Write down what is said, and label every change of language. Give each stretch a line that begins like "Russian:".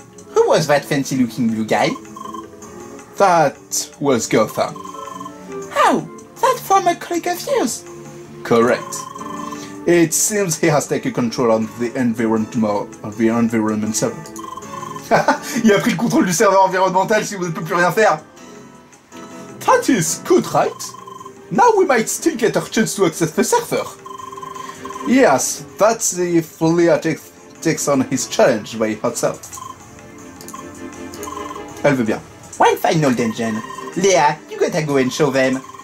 English: Who was that fancy-looking blue guy? That was Gotham. How? That former colleague of yours? Correct. It seems he has taken control of the environment server.
French: Il a pris le contrôle du serveur environnemental si vous ne pouvez plus rien faire.
English: That is good, right? Now we might still get our chance to access the server. Yes, that's if Leah takes on his challenge by herself.
French: Elle veut bien.
English: One final dungeon. Leah, you gotta go and show them.